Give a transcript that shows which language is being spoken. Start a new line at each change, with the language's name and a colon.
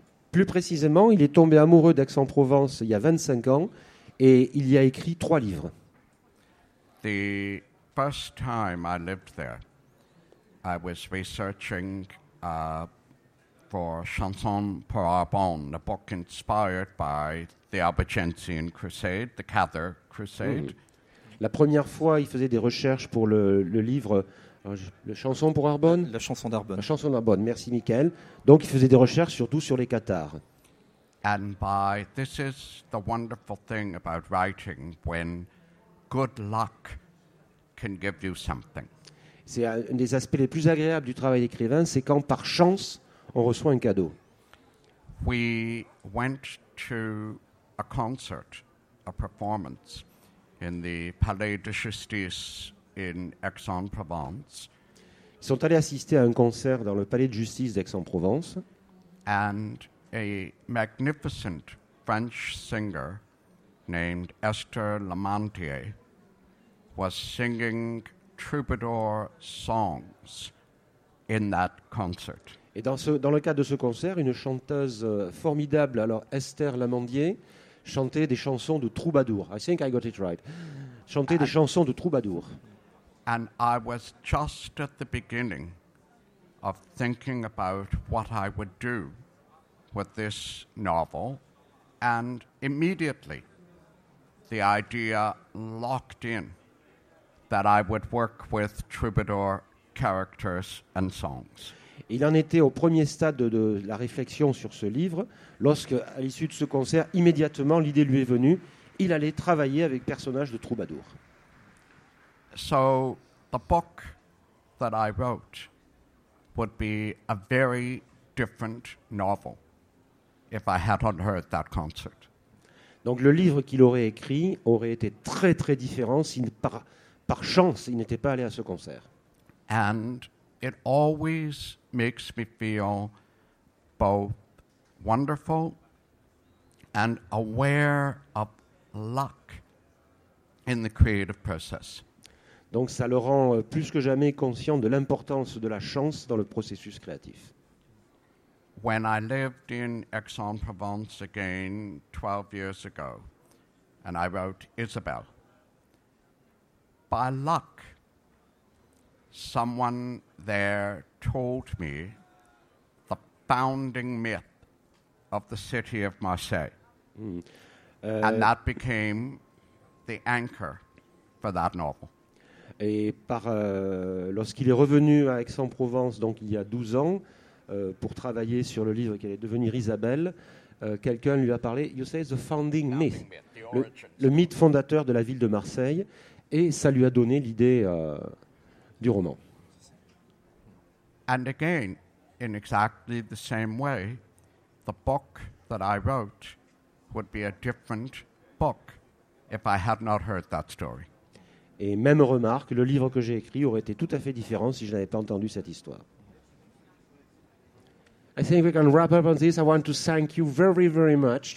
French: Plus précisément, il est tombé amoureux d'Aix-en-Provence il y a 25 ans et il y a écrit trois livres.
English: The first time I lived there, I was researching for Chanson pour Arbonne, a book inspired by the Albigensian Crusade, the Cather Crusade. Mm.
French: La première fois, il faisait des recherches pour le livre... La chanson pour Arbonne. La chanson d'Arbonne. La chanson d'Arbonne. Merci, Michael. Donc, il faisait des recherches surtout sur les Cathares.
English: And by this is the wonderful thing about writing when good luck can give you something.
French: C'est un des aspects les plus agréables du travail d'écrivain, c'est quand par chance on reçoit un cadeau.
English: We went to a concert, a performance in the Palais de Justice. In Aix-en-Provence.
French: Ils sont allés assister à un concert dans le palais de justice d'Aix-en-Provence.
English: And a magnificent French singer named Esther Lamantier was singing troubadour songs in that concert.
French: Et dans le cadre de ce concert, une chanteuse formidable, alors Esther Lamantier, chantait des chansons de troubadour.
English: I think I got it right.
French: Chantait des chansons de troubadour.
English: And I was just at the beginning of thinking about what I would do with this novel, and immediately the idea locked in that I would work with troubadour characters and songs.
French: Il en était au premier stade de la réflexion sur ce livre, lorsque, à l'issue de ce concert, immédiatement l'idée lui est venue, il allait travailler avec personnages de troubadour.
English: So the book that I wrote would be a very different novel if I hadn't heard that concert.
French: Donc le livre qu'il aurait écrit aurait été très très différent si par chance il n'était pas allé à ce concert.
English: And it always makes me feel both wonderful and aware of luck in the creative process.
French: Donc ça le rend plus que jamais conscient de l'importance de la chance dans le processus créatif.
English: When I lived in Aix-en-Provence again 12 years ago and I wrote Isabel, by luck, someone there told me the founding myth of the city of Marseille. And that became the anchor for that novel.
French: Et par, lorsqu'il est revenu à Aix-en-Provence, donc il y a 12 ans, pour travailler sur le livre qui allait devenir Isabelle, quelqu'un lui a parlé,
English: you say the founding myth,
French: le mythe fondateur de la ville de Marseille, et ça lui a donné l'idée du roman.
English: And again, in exactly the same way, the book that I wrote would be a different book if I had not heard that story.
French: Et même remarque, le livre que j'ai écrit aurait été tout à fait différent si je n'avais pas entendu cette histoire.
English: I think we can wrap up on this. I want to thank you very, very much.